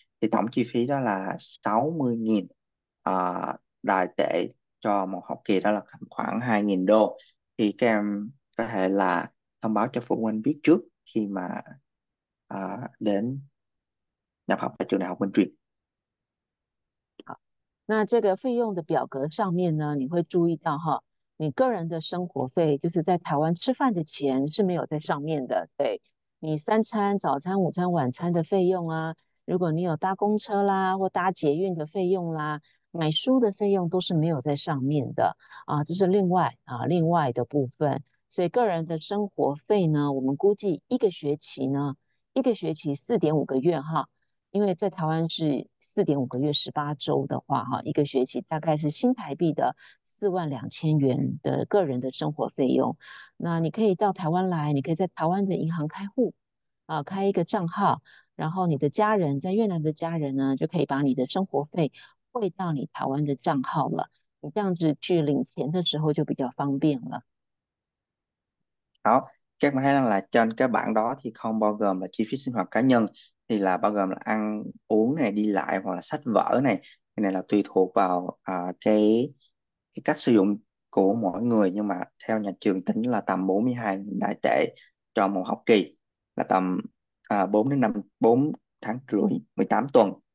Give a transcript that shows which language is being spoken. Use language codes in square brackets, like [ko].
[vi] Thì tổng chi phí đó là 60.000 đài tệ cho một học kỳ, đó là khoảng 2.000 đô. Thì các em có thể là thông báo cho phụ huynh biết trước khi mà đến nhập học tại trường Đại học Minh Truyền. [zh] 那这个费用的表格上面呢，你会注意到哈，你个人的生活费就是在台湾吃饭的钱是没有在上面的。对，你三餐、早餐、午餐、晚餐的费用啊，如果你有搭公车啦或搭捷运的费用啦，买书的费用都是没有在上面的啊，这是另外的部分。所以个人的生活费呢，我们估计一个学期呢，一个学期4.5个月哈。因为在台湾是4.5个月18周的话，哈，一个学期大概是新台币的42000元的个人的生活费用。那你可以到台湾来，你可以在台湾的银行开户，开一个账号，然后你的家人在越南的家人呢，就可以把你的生活费汇到你台湾的账号了。你这样子去领钱的时候就比较方便了。 [vi] Đó, các bạn thấy rằng là trên cái bảng đó thì không bao gồm là chi phí sinh hoạt cá nhân, thì là bao gồm là ăn uống này, đi lại, hoặc là sách vở này. Cái này là tùy thuộc vào cái cách sử dụng của mỗi người, nhưng mà theo nhà trường tính là tầm 42 đại tệ cho một học kỳ, là tầm 4 đến 5, 4 tháng rưỡi, 18 tuần.